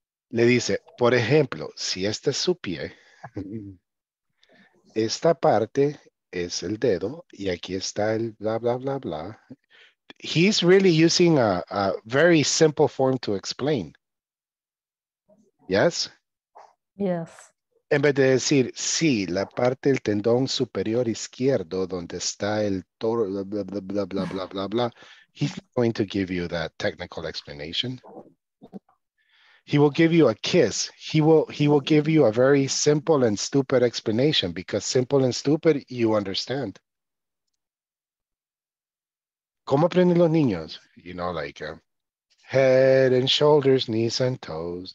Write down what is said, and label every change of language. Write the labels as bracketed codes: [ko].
[es] Le dice, por ejemplo, si este es su pie, esta parte es el dedo y aquí está el bla, bla, bla, bla. [en] He's really using a very simple form to explain. Yes? Yes. [es] En vez de decir, sí, la parte del tendón superior izquierdo donde está el toro, bla, bla, bla, bla, bla, bla, bla, bla. [en] He's going to give you that technical explanation. He will give you a kiss. He will give you a very simple and stupid explanation because simple and stupid, you understand. [es] ¿Cómo aprenden los niños? [en] You know, like head and shoulders, knees and toes.